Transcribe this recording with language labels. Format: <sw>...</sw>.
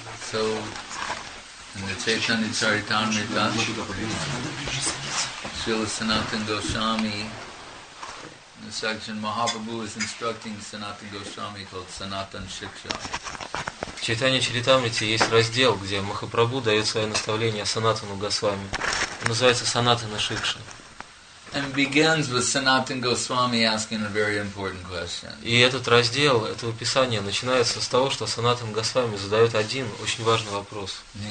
<en>So, in the Chaitanya Charitamrita, Srila Sanatan Goswami, in the section Mahaprabhu is instructing Sanatan Goswami called Sanatan Shiksha.</en> <ru>В Чайтанья Чаритамрите есть раздел, где Махапрабху дает свое наставление Санатану Госвами. Он называется Санатана Шикша.</ru> <en>And begins with Sanatan Goswami asking a very important question.</en> <ru>И этот раздел, это описание начинается с того, что Санатан Госвами задает один очень важный вопрос.</ru>